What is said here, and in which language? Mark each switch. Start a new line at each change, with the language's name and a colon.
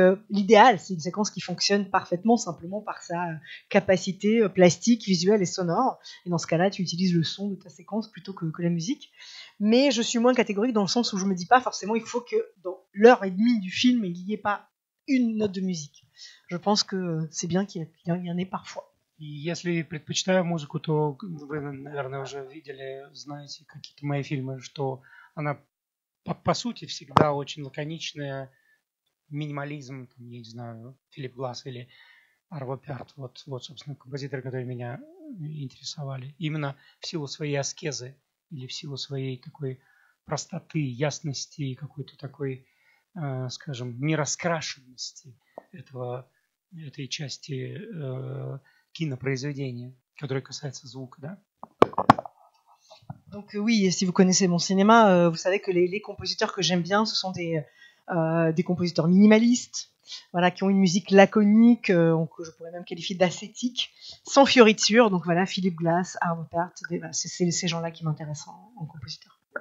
French: l'idéal, c'est une séquence qui fonctionne parfaitement simplement par sa capacité plastique, visuelle et sonore. Et dans ce cas-là, tu utilises le son de ta séquence plutôt que la musique. Mais je suis moins catégorique dans le sens où je ne me dis pas forcément il faut que dans l'heure et demie du film, il n'y ait pas une note de musique. Je pense que c'est bien qu'il y en ait parfois.
Russian: Если предпочитаю музыку, то вы, наверное, уже видели, знаете какие-то мои фильмы, что она по сути всегда очень лаконичная, минимализм, там, я не знаю, Филипп Гласс или Арво Пярт, вот, собственно, композиторы, которые меня интересовали, именно в силу своей аскезы или в силу своей такой простоты, ясности и какой-то такой, скажем, нераскрашенности этой части кинопроизведение, которое касается звука, да?
French: Donc oui, si vous connaissez mon cinéma, vous savez que les compositeurs que j'aime bien, ce sont des compositeurs minimalistes, voilà, qui ont une musique laconique, que je pourrais même qualifier d'ascétique, sans fioritures. Donc voilà, Philippe Glass, Arvo Pärt, c'est ces gens-là qui m'intéressent en compositeur.